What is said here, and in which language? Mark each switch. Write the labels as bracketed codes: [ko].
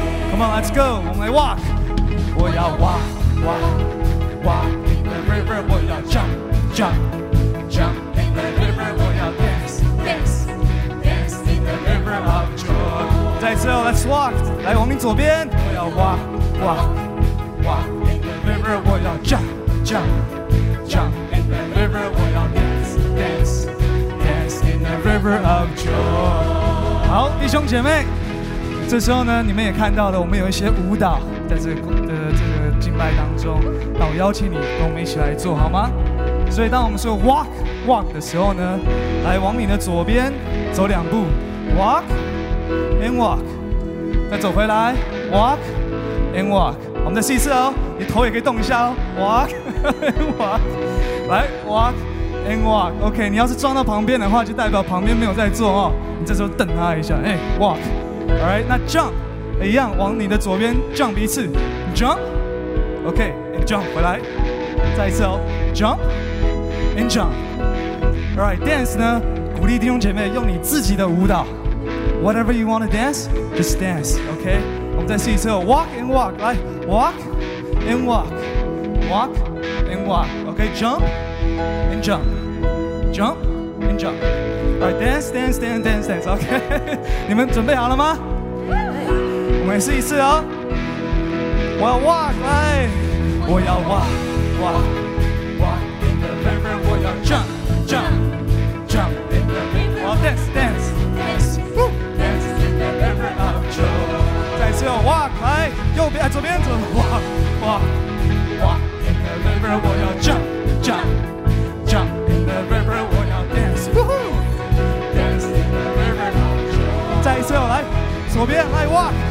[en] Come on, let's go, [zh] 我们来 [en] walk。 [zh] 我要 [en] walk Walk, walk in the river, 我要 jump, jump, jump in the river, 我要 dance, dance, dance in the river of joy. [zh] 再次 [en] let's walk, [zh] 来往你左边。我要 [en] walk, walk, walk in the river, 我要 jump, jump, jump in the river, 我要 dance, dance, dance in the river of joy. [zh] 好，弟兄姐妹，这时候呢，你们也看到了，我们有一些舞蹈在这个敬拜当中，那我邀请你跟我们一起来做好吗？所以当我们说 [en] walk walk [zh] 的时候呢，来往你的左边走两步， [en] walk and walk， [zh] 再走回来， walk and walk， 我们再试一次哦，你头也可以动一下哦， [en] walk and walk， [zh] 来 walk and walk， OK， 你要是撞到旁边的话，就代表旁边没有在做哦，你这时候瞪他一下，哎， walk， [en] all right， [zh] 那 jump 一样往你的左边 jump 一次， jumpOK, [en] and jump, [zh] 回来，再一次哦， jump, and jump. [en] Alright, [zh] dance 呢，鼓励弟兄姐妹用你自己的舞蹈。 [en] Whatever you want to dance, just dance, OK? [zh] 我们再试一次哦， [en] walk and walk, 来， walk and walk, walk and walk, OK? Jump, and jump, jump, and jump. Alright, dance, dance, dance, dance, dance, OK? [zh] 你们准备好了吗？我们试一次哦。我要 [en] walk [zh] 来，我要 [en] walk walk walk in the river， 我要 jump jump jump in the river， [zh] 我要 [en] dance dance dance dance in the river of joy。 [zh] 再次要 [en] walk [zh] 来，右边左边左 walk [en] walk walk in the river， [zh] 我要 [en] jump jump jump in the river， 我要 dance dance in the river of joy。 [zh] 再次要来左边来 [en] walk，